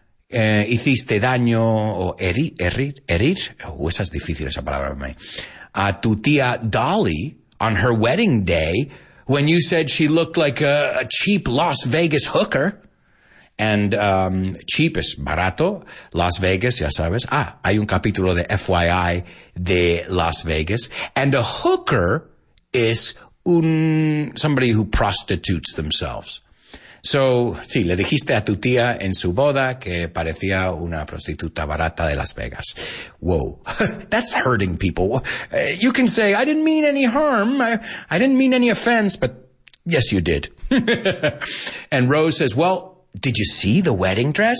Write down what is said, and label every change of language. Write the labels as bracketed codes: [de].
[es] hiciste daño o herir, oh, esa es difícil esa palabra para mí. A tu tía [en] Dolly on her wedding day when you said she looked like a cheap Las Vegas hooker. And cheap [es] es barato, Las Vegas, ya sabes. Ah, hay un capítulo de FYI de Las Vegas. [en] And a hooker is somebody who prostitutes themselves. [es] So, sí, le dijiste a tu tía en su boda que parecía una prostituta barata de Las Vegas. [en] Whoa, that's hurting people. You can say, I didn't mean any harm, I didn't mean any offense, but yes, you did. And Rose says, well, did you see the wedding dress?